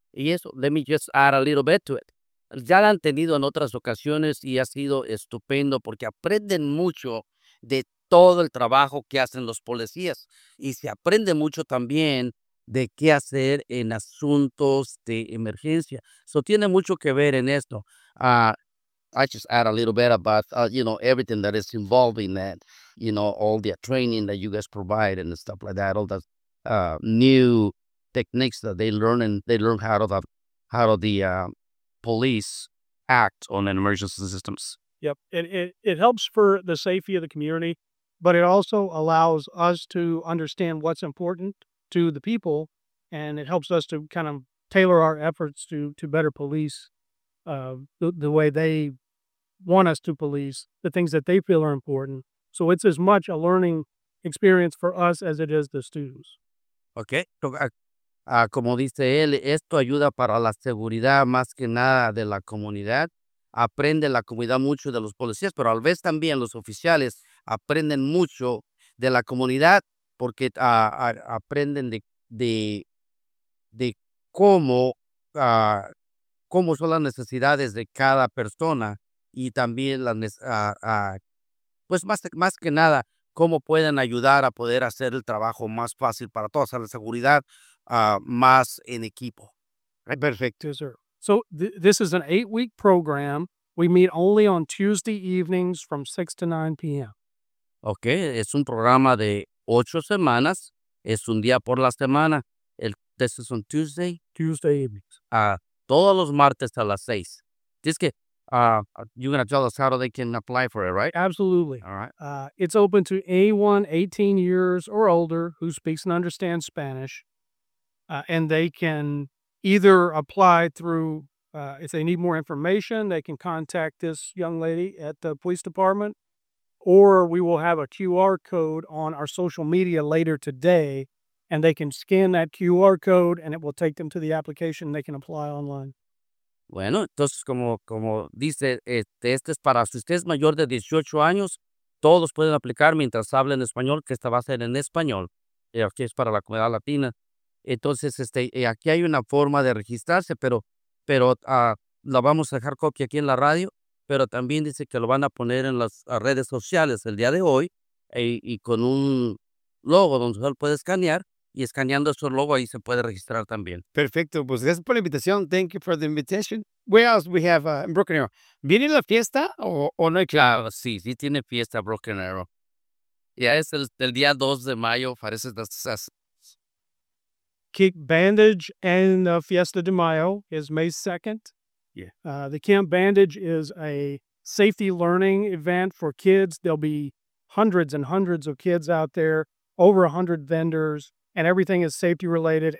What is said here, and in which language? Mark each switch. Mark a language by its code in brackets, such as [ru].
[es] Y eso, [en] let me just add a little bit to it. [es] Ya la han tenido en otras ocasiones y ha sido estupendo porque aprenden mucho de todo el trabajo que hacen los policías y se aprende mucho también de qué hacer en asuntos de emergencia. So tiene mucho que ver en esto. [en] I just add a little bit about everything that is involved in that, all the training that you guys provide and stuff like that, all the new techniques that they learn, and they learn how the police act on an emergency systems. Yep, it helps for the safety of the community. But it also allows us to understand what's important to the people, and it helps us to kind of tailor our efforts to better police the way they want us to police, the things that they feel are important. So it's as much a learning experience for us as it is the students. Okay. [es] Como dice él, esto ayuda para la seguridad más que nada de la comunidad. Aprende la comunidad mucho de los policías, pero a la vez también los oficiales aprenden mucho de la comunidad porque aprenden de cómo son las necesidades de cada persona y también más que nada cómo pueden ayudar a poder hacer el trabajo más fácil para todos, hacer la seguridad más en equipo. Perfecto. [en] Yes, sir. So this is an 8-week program. We meet only on Tuesday evenings from 6 to 9 p.m. [es] Okay, es un programa de 8 semanas, es un día por la semana. [en] This is on Tuesday? Tuesday evenings. [es] Todos los martes a las 6. Es que, [en] you're going to tell us how they can apply for it, right? Absolutely. All right. It's open to anyone 18 years or older who speaks and understands Spanish, and they can either apply through, if they need more information, they can contact this young lady at the police department. Or we will have a QR code on our social media later today, and they can scan that QR code, and it will take them to the application, and they can apply online. [es] Bueno, entonces, como dice, este es para, si usted es mayor de 18 años, todos pueden aplicar mientras hablen español, que esta va a ser en español. Aquí es para la comunidad latina. Entonces, aquí hay una forma de registrarse, pero la vamos a dejar copia aquí en la radio. Pero también dice que lo van a poner en las redes sociales el día de hoy y con un logo donde usted puede escanear y escaneando su logo ahí se puede registrar también. Perfecto, pues gracias por la invitación. [en] Thank you for the invitation. Where else we have in Broken Arrow? [es] ¿Viene la fiesta o no hay que... Claro, sí tiene fiesta Broken Arrow. Ya es el día 2 de mayo, parece que es así. [en] Kick Bandage and Fiesta de Mayo is May 2nd. Yeah. The Camp Bandage is a safety learning event for kids. There'll be hundreds and hundreds of kids out there, over 100 vendors, and everything is safety related.